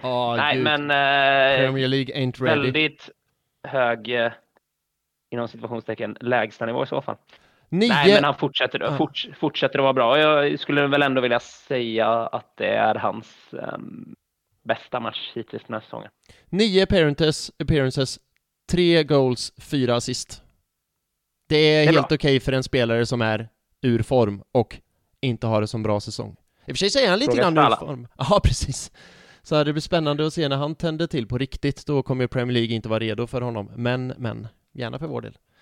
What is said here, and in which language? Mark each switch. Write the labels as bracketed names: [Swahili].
[English] Premier League ain't ready. [Swedish] Väldigt hög, inom situationstecken, lägsta nivå i så fall. Men han fortsätter att vara bra. Jag skulle väl ändå vilja säga att det är hans bästa match hittills den här säsongen. [English] 9 appearances, 3 goals, 4 assist. [Swedish] Det är helt okej för en spelare som är ur form och inte har det som bra säsong. I och för sig säger han lite grann ur form. Ja, precis. Så här, det blir spännande att se när han tänder till på riktigt. Då kommer Premier League inte vara redo för honom. Men gärna för vår del.